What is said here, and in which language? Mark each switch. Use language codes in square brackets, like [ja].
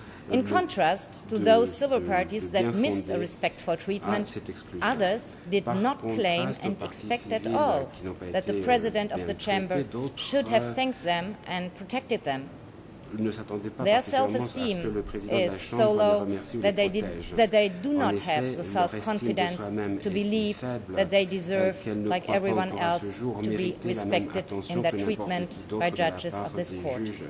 [en] In contrast to those civil parties that missed a respectful treatment, others did not claim and expect at all that the president of the chamber should have thanked them and protected them. [fr] ne s'attendaient pas particulièrement à ce que le président de la Chambre les remercie ou les protège. [en] That they do not have the self-confidence to believe that they deserve, like everyone else, to be respected in their treatment by judges of this court.